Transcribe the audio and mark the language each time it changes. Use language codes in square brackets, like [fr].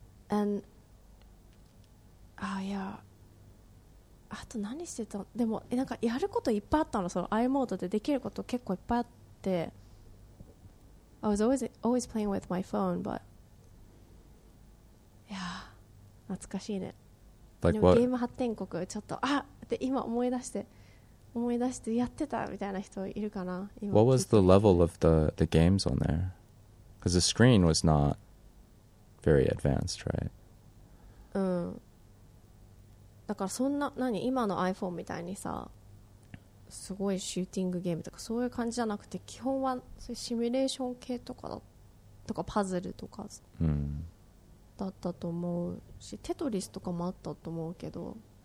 [ja] うん。andああいや、あと何してたの、でもなんかやることいっぱいあったの、その i モードでできること結構いっぱいあって、 [en] I was always playing with my phone, but [ja] いや懐かしいね、 like、でもゲーム発展国ちょっとあって今思い出してやってたみたいな人いるかな。今 [en] What was the level of the games on there? Because the screen was not very advanced, right? [ja] うん、だからそんな何今の iPhone みたいにさすごいシューティングゲームとかそういう感じじゃなくて、基本はそういうシミュレーション系とかだとかパズルとか、うん、だったと思うし、テトリスとかもあったと思うけど。